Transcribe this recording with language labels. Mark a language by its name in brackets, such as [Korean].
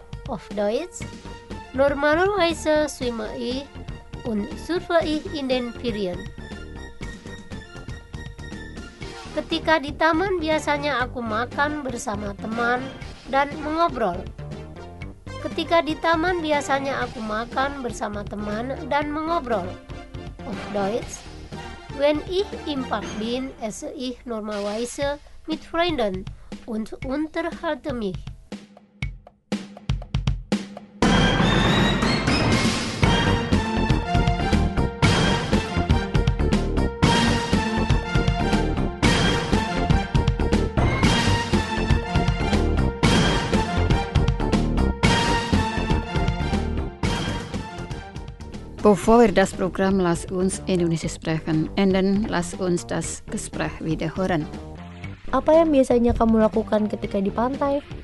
[German] Auf Deutsch: Normalerweise schwimme ich und surfe ich in den Ferien. [Indonesian] Ketika di taman biasanya aku makan bersama teman dan mengobrol. Ketika di taman biasanya aku makan bersama teman dan mengobrol. [German] Auf Deutsch: Wenn ich im Park bin, esse ich normalerweise mit Freunden und unterhalte mich. Bevor wir das Programm Lass uns Indonesisch sprechen enden, lass uns das Gespräch wiederhören. [Indonesian] Apa yang biasanya kamu lakukan ketika di pantai?